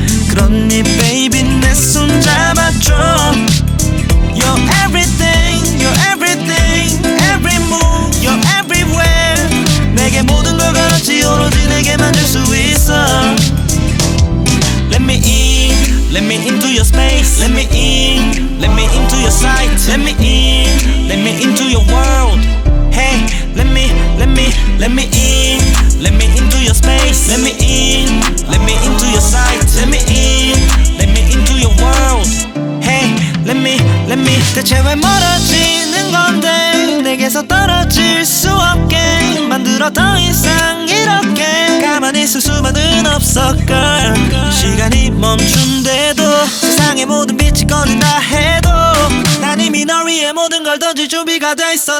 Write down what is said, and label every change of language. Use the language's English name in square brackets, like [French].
[Korean] 그러니 baby 내 손 잡아줘. [English] You're everything, you're everything, every move, you're everywhere. [Korean] 내게 모든 걸 가르치 오로지 내게만 줄 수 있어. [English] Let me in, let me into your space. Let me in, let me into your sight. Let me in, let me into your world. Hey, let me, let me, let me in. Let me into your space. Let me in, let me into your sight. Let me in, let me into your world. Hey, let me, let me. [Korean] 대체 왜 멀어지는 건데 내게서 떨어질 수 없게 만들어 더 이상 이렇게 가만히 있을 수만은 없어, girl. 시간이 멈춘대도 세상의 모든 빛이 꺼진다 해도 난 이미 너 위에 모든 걸 던질 준비가 돼 있어.